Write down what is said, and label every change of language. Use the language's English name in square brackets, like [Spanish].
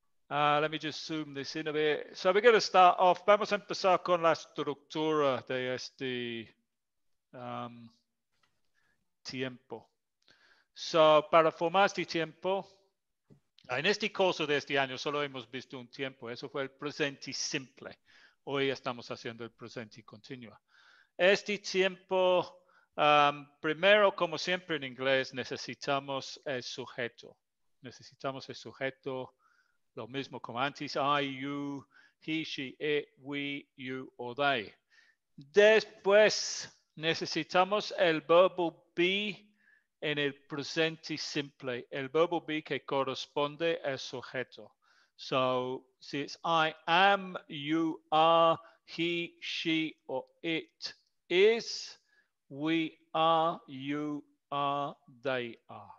[English] Let me just zoom this in a bit. So we're going to start off. [Spanish] Vamos a empezar con la estructura de este tiempo. So para formar este tiempo, en este curso de este año solo hemos visto un tiempo. Eso fue el presente simple. Hoy estamos haciendo el presente continuo. Este tiempo, primero, como siempre en inglés, necesitamos el sujeto. Necesitamos el sujeto. Lo mismo como antes, [English] I, you, he, she, it, we, you, or they. [Spanish] Después necesitamos el verbo be en el presente simple. El verbo be que corresponde al sujeto. [English] So, si it's I am, you are, he, she, or it is, we are, you are, they are.